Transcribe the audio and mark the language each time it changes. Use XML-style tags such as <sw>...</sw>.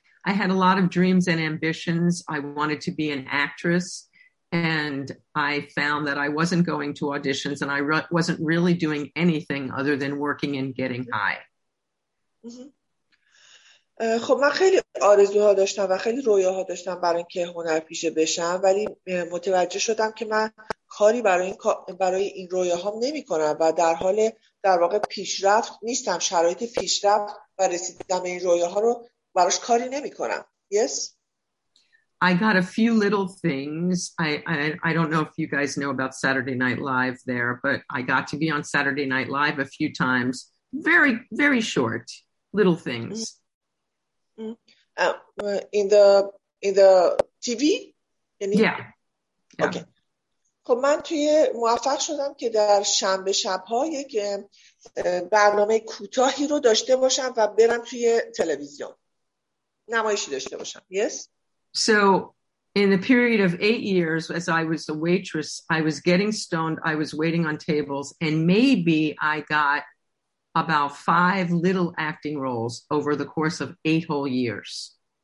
<en>I had a lot of dreams and ambitions. I wanted to be an actress, and I found that I wasn't going to auditions, and I wasn't really doing anything other than working and getting high.</en> <fa>خب من خیلی آرزوها داشتم و خیلی رویاها داشتم برای اینکه هنرپیشه بشم، ولی متوجه شدم که من کاری برای این رویاهام نمی‌کنم و در حال در واقع پیشرفت نیستم. شرایط پیشرفت و رسیدن به این رویاها رو براش کاری نمی‌کنم.</fa> <en>Yes. I got a few little things. I don't know if you guys know about Saturday Night Live there, but I got to be on Saturday Night Live a few times. Very, very short little things. In the TV? Yeah. Okay.</en> <fa>خب من توی موفق شدم که در شنبه شب‌ها یک برنامه کوتاهی رو داشته باشم و برم توی تلویزیون. نمایشی داشته باشم.</fa> <en>Yes? So in the period of 8 years, as I was a waitress, I was getting stoned, I was waiting on tables, and maybe I got about 5 little acting roles over the course of 8 whole years.</en>